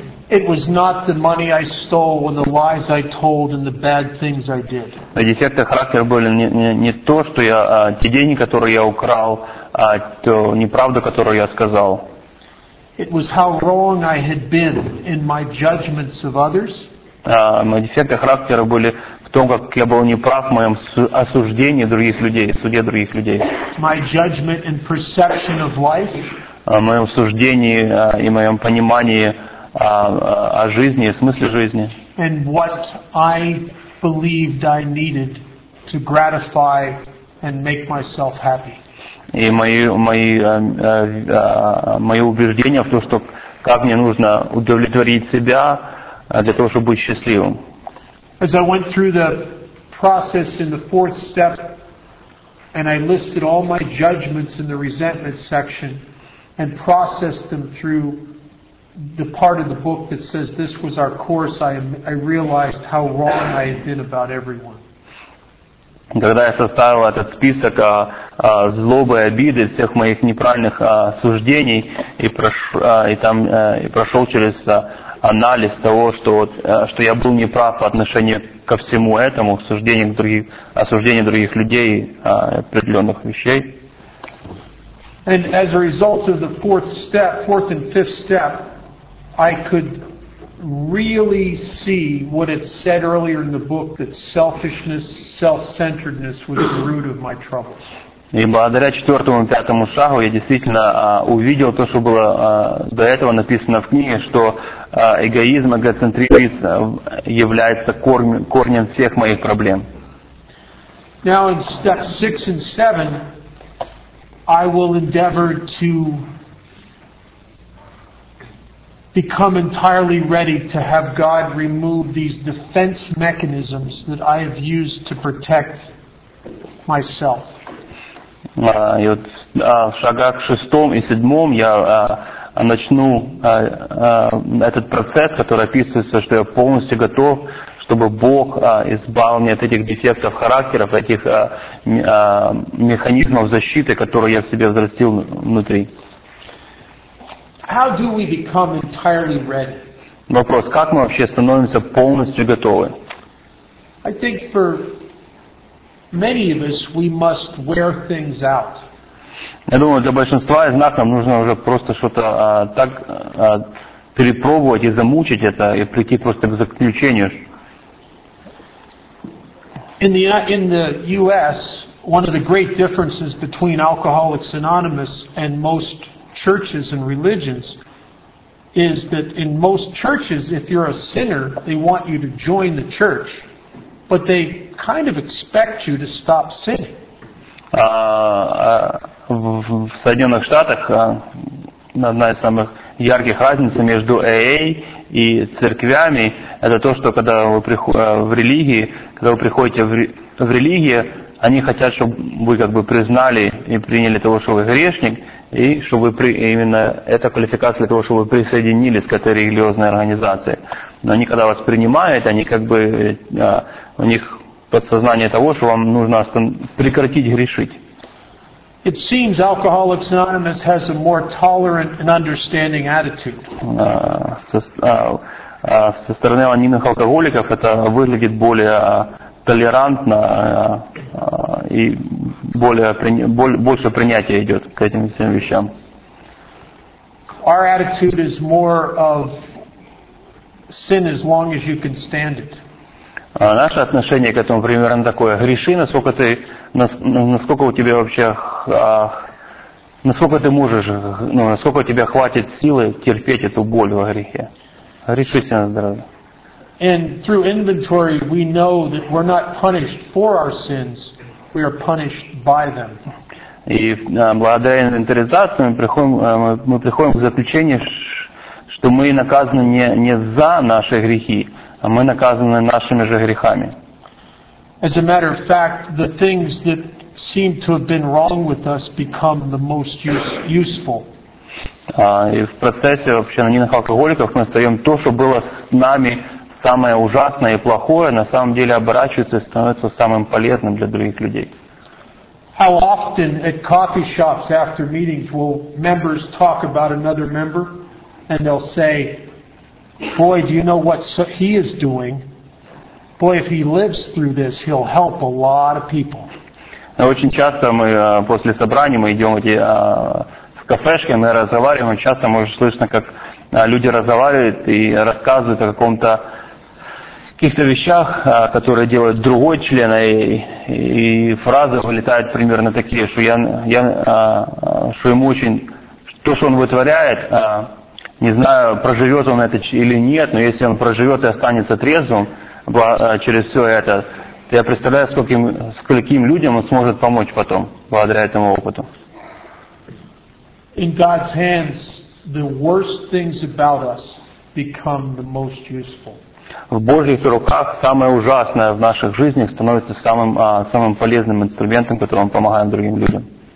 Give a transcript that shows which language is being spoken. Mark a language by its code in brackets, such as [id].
[en] It was not the money I stole and the lies I told and the bad things I did. [ru] Мои дефекты характера были не то, что я те деньги, которые я украл, а то неправду, которую я сказал. [en] It was how wrong I had been in my judgments of others. [ru] Мои дефекты характера были в том, как я был неправ в моем осуждении других людей, суде других людей. [en] My judgment and perception of life. [ru] Моем суждении и моем понимании о жизни, о смысле жизни. [en] And what I believed I needed to gratify and make myself happy. [ru] И мои убеждения в том, что как мне нужно удовлетворить себя для того, чтобы быть счастливым. [en] As I went through the process in the fourth step and I listed all my judgments in the resentment section and processed them through the part of the book that says this was our course, I realized how wrong I had been about everyone. [ru] Когда я составил этот список злобы и обиды, всех моих неправильных суждений, и прошел через анализ того, что я был неправ по отношению ко всему этому, осуждению других людей, определенных вещей. [en] And as a result of the fourth and fifth step, I could really see what it said earlier in the book that selfishness, self-centeredness was the root of my troubles. [ru] И благодаря четвертому и пятому шагу я действительно увидел то, что было до этого написано в книге, что эгоизм, эгоцентризм является корнем всех моих проблем. [en] Now in step 6 and 7 I will endeavor to become entirely ready to have God remove these defense mechanisms that I have used to protect myself. [ru] И вот в шагах шестом и седьмом я начну этот процесс, который описывается, что я полностью готов, чтобы Бог избавил меня от этих дефектов характера, от этих механизмов защиты, которые я в себе взрастил внутри. [en] How do we become entirely ready? [ru] Вопрос, как мы вообще становимся полностью готовы? [en] I think for many of us, we must wear things out. [ru] Я думаю, для большинства из нас нам нужно уже просто что-то так перепробовать и замучить это, и прийти просто к заключению. [en] In the U.S., one of the great differences between Alcoholics Anonymous and most churches and religions is that in most churches, if you're a sinner, they want you to join the church. But they kind of expect you to stop sinning. [ru] В Соединенных Штатах одна из самых ярких разниц между AA и церквями это то, что когда вы приходите в религии, когда вы приходите в религию, они хотят, чтобы вы как бы признали и приняли того, что вы грешник, и чтобы именно эта квалификация для того, чтобы вы присоединились к этой религиозной организации. Но они когда вас принимают, они как бы у них подсознание того, что вам нужно прекратить грешить. [en] It seems Alcoholics Anonymous has a more tolerant and understanding attitude. [ru] Со стороны анонимных алкоголиков это выглядит более толерантно и больше принятия идет к этим всем вещам. [en] Our attitude is more of sin as long as you can stand it. [ru] Наше отношение к этому примерно такое. Греши, насколько у тебя вообще, насколько ты можешь, ну, насколько у тебя хватит силы терпеть эту боль во грехе. Грешись на здоровье. [en] And through inventory we know that we're not punished for our sins, we are punished by them. [ru] И благодаря инвентаризации мы приходим к заключению, что мы наказаны не за наши грехи, а мы наказаны нашими же грехами. [en] As a matter of fact, the things that seem to have been wrong with us become the most useful. [ru] И в процессе вообще анонимных алкоголиков мы остаем то, что было с нами самое ужасное и плохое, на самом деле оборачивается и становится самым полезным для других людей. [en] How often at coffee shops after meetings will members talk about another member and they'll say, boy, do you know what he is doing? Boy, if he lives through this, he'll help a lot of people. [ru] Очень часто мы после собрания, мы идем в кафешки, мы разговариваем, часто можно слышно, как люди разговаривают и рассказывают о каких-то вещах, которые делает другой член, и фразы вылетают примерно такие, что что ему очень, то, что он вытворяет, не знаю, проживет он это или нет, но если он проживет и останется трезвым через все это, то я представляю, скольким людям он сможет помочь потом, благодаря этому опыту. [en] In God's hands, the worst things about us become the most useful. [ru] В Божьих руках самое ужасное в наших жизнях становится самым полезным инструментом, которым мы помогаем другим людям.